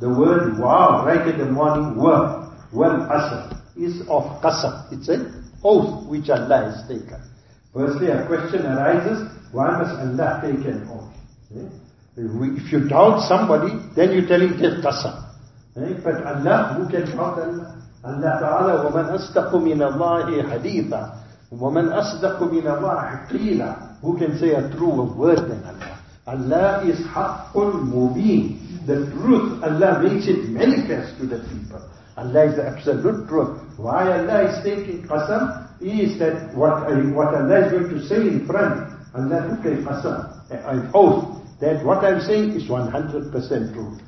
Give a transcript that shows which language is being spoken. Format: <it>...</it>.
<en>The word waw, right in the morning, waw, wal asr, is of qasam. It's an oath which Allah has taken. Firstly, a question arises, why must Allah take an oath? If you doubt somebody, then you tell him just qasam. But Allah, who can doubt Allah?</en> <ar>Allah Ta'ala, وَمَنْ أَصْدَقُ مِنَ اللَّهِ حَدِيثًا وَمَنْ أَصْدَقُ مِنَ اللَّهِ قِيلًا.</ar> <en>Who can say a truer word than Allah? Allah is</en> <ar>حَقٌ مُبِينٌ.</ar> <en>The truth, Allah makes it manifest to the people. Allah is the absolute truth. Why Allah is taking qasam is that what Allah is going to say in front, Allah took a qasam, an oath, that what I'm saying is 100% true.</en>